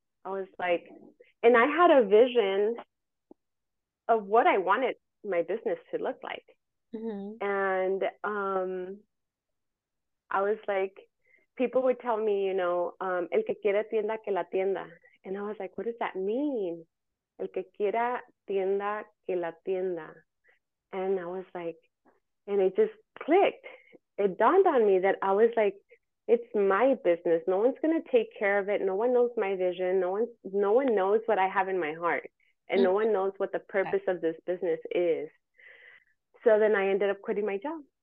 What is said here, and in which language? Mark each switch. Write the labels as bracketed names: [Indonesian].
[English] I was like, and I had a vision of what I wanted my business to look like. And I was like, people would tell me, [Spanish] el que quiera tienda, que la tienda. [English] And I was like, what does that mean? [Spanish] El que quiera tienda, que la tienda. [English] And I was like, and it just clicked. It dawned on me that I was like, it's my business. No one's going to take care of it. No one knows my vision. No one knows what I have in my heart. And no one knows what the purpose of this business is. So then I ended up quitting my job.